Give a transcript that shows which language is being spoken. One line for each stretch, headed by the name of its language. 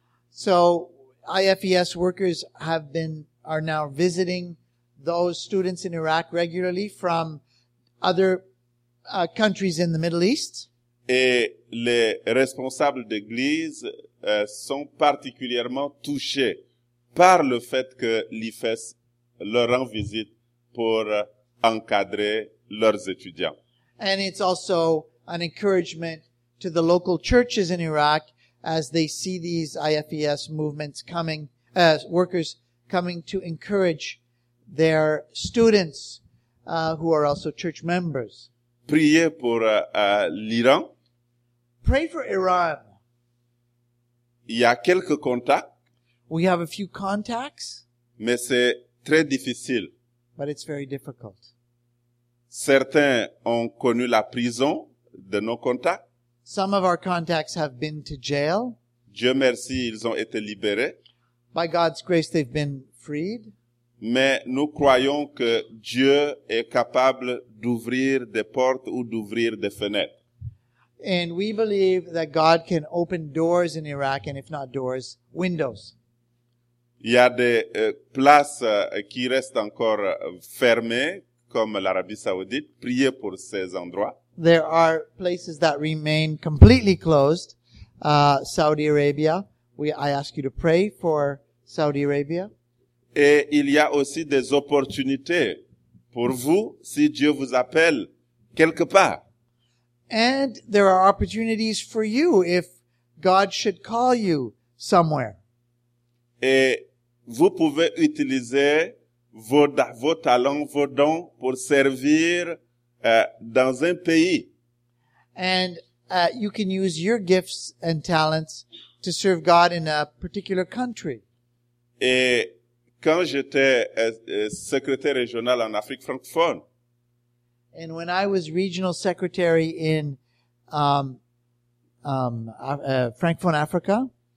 English: So, IFES workers are now visiting those students in Iraq regularly from other countries in the Middle East.
French: Et les responsables d'église sont particulièrement touchés par le fait que l'IFES leur rend visite pour encadrer leurs étudiants.
English: And it's also an encouragement to the local churches in Iraq as they see these IFES movements coming, workers coming to encourage their students who are also church members.
French: Priez pour l'Iran.
English: Pray for Iran.
French: Il y a quelques contacts.
English: We have a few contacts.
French: Mais c'est très difficile.
English: But it's very difficult.
French: Certains ont connu la prison de nos contacts.
English: Some of our contacts have been to jail.
French: Dieu merci, ils ont été libérés.
English: By God's grace, they've been freed.
French: Mais nous croyons que Dieu est capable d'ouvrir des portes ou d'ouvrir des fenêtres.
English: And we believe that God can open doors in Iraq, and if not doors, windows.
French: Il y a des places qui restent encore fermées, comme l'Arabie Saoudite. Priez pour ces endroits.
English: There are places that remain completely closed. Saudi Arabia. I ask you to pray for Saudi Arabia.
French: Et il y a aussi des opportunités pour vous si Dieu vous appelle quelque part.
English: And there are opportunities for you if God should call you somewhere.
French: Et vous pouvez utiliser vos talents, vos dons pour servir dans un pays.
English: And you can use your gifts and talents to serve God in a particular country.
French: Et quand j'étais secrétaire régional en Afrique francophone.
English: And when I was regional secretary in Francophone Africa.